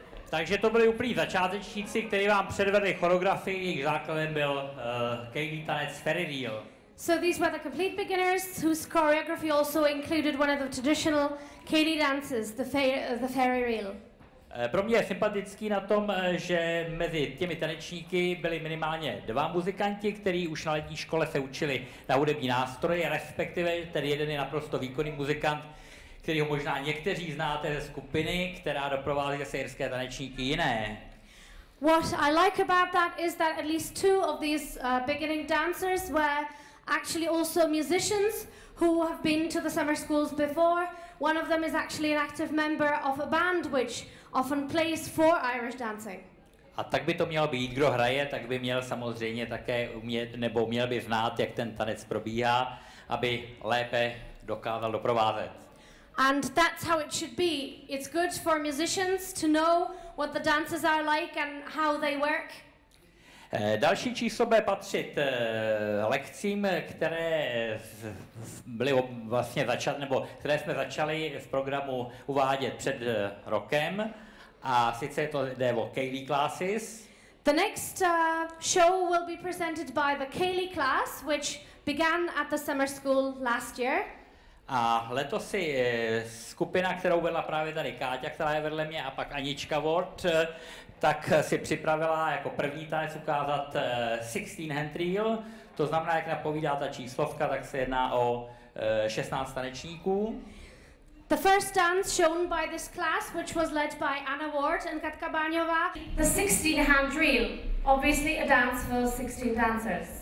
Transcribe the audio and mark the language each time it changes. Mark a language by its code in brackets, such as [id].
[cs] Takže to byli úplní začátečníci, kteří vám předvedli choreografii, jejich základem byl Ceilí tanec Therísa. [en] So these were the complete beginners whose choreography also included one of the traditional Ceilí dances, the Therísa. [cs] Pro mě je sympatický na tom, že mezi těmi tanečníky byli minimálně dva muzikanti, kteří už na letní škole se učili na hudební nástroje, respektive ten jeden je naprosto výkonný muzikant, kterýho možná někteří znáte ze skupiny, která doprovází se irské tanečníky jiné. [en] What I like about that is that at least two of these beginning dancers were actually also musicians who have been to the summer schools before. One of them is actually an active member of a band which often plays for Irish dancing. [cs] A tak by to mělo být, kdo hraje, tak by měl samozřejmě také umět, nebo měl by znát, jak ten tanec probíhá, aby lépe dokázal doprovázet. [en] And that's how it should be. It's good for musicians to know what the dances are like and how they work. [cs] Další číslo bude patřit lekcím, které byly vlastně které jsme začali v programu uvádět před rokem. A sice to jde o Ceilí classes. [en] The next show will be presented by the Ceilí class, which began at the summer school last year. [cs] A letos si skupina, kterou vedla právě tady Káťa, která je vedle mě, a pak Anička Ward, tak si připravila jako první tanec ukázat 16 hand reel. To znamená, jak napovídá ta číslovka, tak se jedná o 16 tanečníků. [en] The first dance shown by this class, which was led by Anna Ward and Katka Báňová, the 16-hand drill, obviously a dance for 16 dancers.